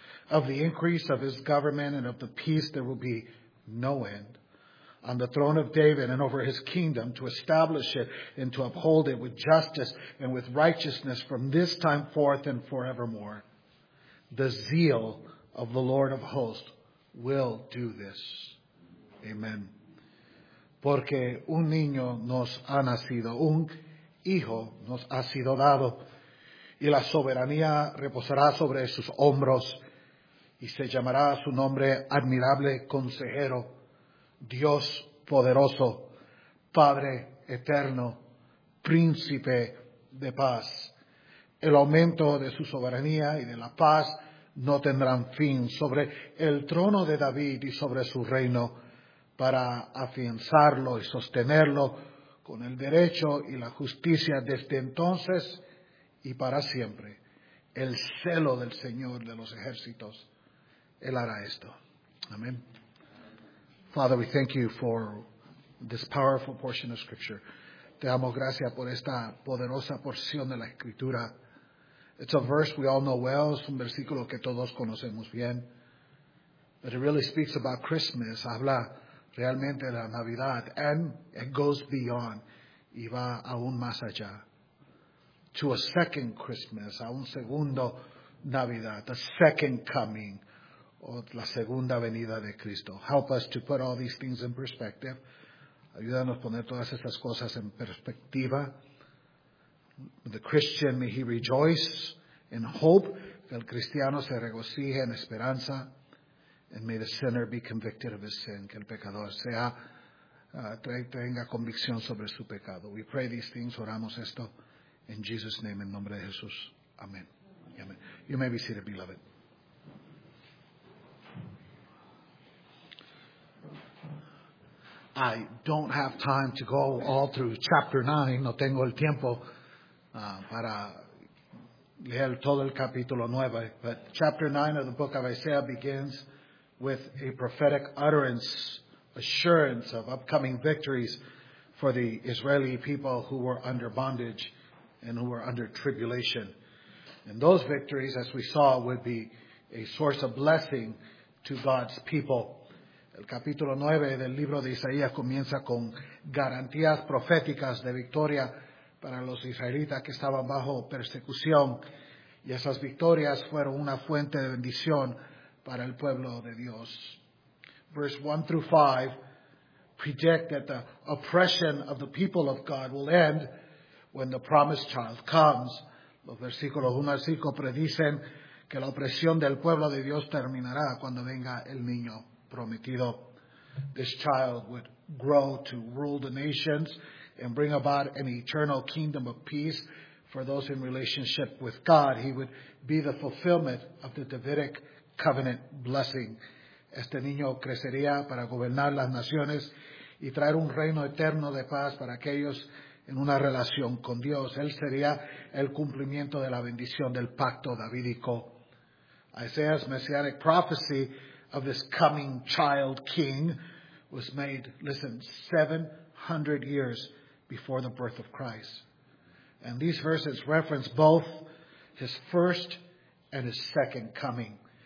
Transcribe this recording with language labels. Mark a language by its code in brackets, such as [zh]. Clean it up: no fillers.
[en] Of the increase of his government and of the peace there will be no end. On the throne of David and over his kingdom, to establish it and to uphold it with justice and with righteousness from this time forth and forevermore. The zeal of the Lord of hosts will do this. Amen. [es] Porque un niño nos ha nacido, un hijo nos ha sido dado, y la soberanía reposará sobre sus hombros, y se llamará su nombre Admirable Consejero, Dios Poderoso, Padre Eterno, Príncipe de Paz. El aumento de su soberanía y de la paz no tendrán fin sobre el trono de David y sobre su reino, para afianzarlo y sostenerlo con el derecho y la justicia desde entonces y para siempre. El celo del Señor de los ejércitos, Él hará esto. Amén. [en] Father, we thank you for this powerful portion of Scripture. [es] Te damos gracias por esta poderosa porción de la Escritura. [en] It's a verse we all know well. [es] Es un versículo que todos conocemos bien. [en] But it really speaks about Christmas. [es] Habla realmente de la Navidad. [en] And it goes beyond. [es] Y va aún más allá. [en] To a second Christmas. [es] A un segundo Navidad. [en] A second coming. [es] O la segunda venida de Cristo. [en] Help us to put all these things in perspective. [es] Ayúdanos a poner todas estas cosas en perspectiva. [en] The Christian, may he rejoice in hope. [es] Que el cristiano se regocije en esperanza. [en] And may the sinner be convicted of his sin. [es] Que el pecador sea, tenga convicción sobre su pecado. [en] We pray these things, [es] oramos esto. [en] In Jesus' name, [es] en nombre de Jesús. Amén. [en] Amen. You may be seated, beloved. I don't have time to go all through chapter 9. [es] No tengo el tiempo para leer todo el capítulo 9. [en] But chapter 9 of the book of Isaiah begins with a prophetic utterance, assurance of upcoming victories for the Israeli people who were under bondage and who were under tribulation. And those victories, as we saw, would be a source of blessing to God's people. [es] El capítulo 9 del libro de Isaías comienza con garantías proféticas de victoria para los israelitas que estaban bajo persecución. Y esas victorias fueron una fuente de bendición para el pueblo de Dios. [en] Verse 1 through 5 predict that the oppression of the people of God will end when the promised child comes. [es] Los versículos 1 al 5 predicen que la opresión del pueblo de Dios terminará cuando venga el niño prometido. [en] This child would grow to rule the nations and bring about an eternal kingdom of peace for those in relationship with God. He would be the fulfillment of the Davidic covenant blessing. [es] Este niño crecería para gobernar las naciones y traer un reino eterno de paz para aquellos en una relación con Dios. Él sería el cumplimiento de la bendición del pacto davídico. [en] Isaiah's messianic prophecy of this coming child king was made, listen, 700 years before the birth of Christ. And these verses reference both his first and his second coming.